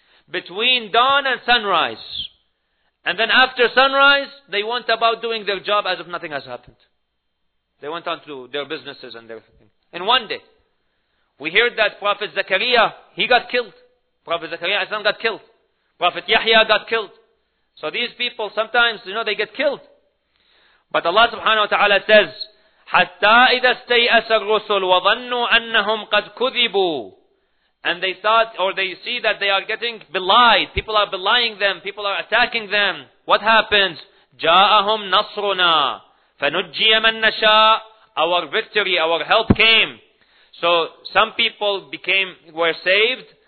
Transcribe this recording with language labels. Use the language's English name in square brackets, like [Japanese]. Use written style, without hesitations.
[English] between dawn and sunrise. And then after sunrise, they went about doing their job as if nothing has happened. They went on to their businesses and their things. In one day, we heard that Prophet Zakaria, he got killed. Prophet Zakaria Islam got killed. Prophet Yahya got killed. So these people, sometimes, you know, they get killed. But Allah subhanahu wa ta'ala says, [Arabic] حَتَّى إِذَا اسْتَيْأَسَ الرُّسُلُ وَظَنُّوا أَنَّهُمْ قَدْ كُذِبُوا. [English] And they thought, or they see that they are getting belied. People are belying them. People are attacking them. What happens? [Arabic] جَاءَهُمْ نَصْرُنَا فَنُجِّيَ مَنْ نَشَاءُ. [English] Our victory, our help came. So some people were saved.